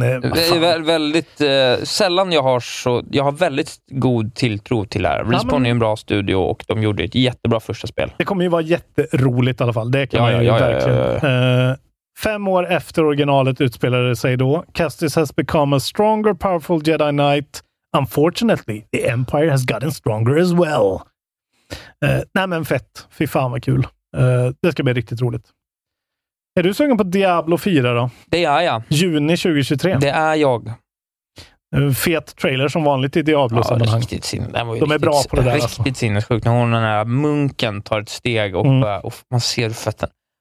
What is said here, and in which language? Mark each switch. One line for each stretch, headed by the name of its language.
Swedish: det är väldigt sällan jag har väldigt god tilltro till det här. Respawn är en bra studio och de gjorde ett jättebra första spel. Det kommer ju vara jätteroligt i alla fall. Det kan man ju verkligen. Fem år efter originalet utspelade sig då.
English: Kestis has become a stronger, powerful Jedi Knight. Unfortunately, the Empire has gotten stronger as well.
Swedish: Nej men fett. Fy fan vad kul. Det ska bli riktigt roligt. Är du sugen på Diablo 4 då? Det är jag. Juni 2023. Det är jag. Fet trailer som vanligt i Diablo. Ja, riktigt sinnessjukt. De är bra på det där. Riktigt alltså. Sinnessjukt. När hon, den här munken, tar ett steg och, och man ser fötterna.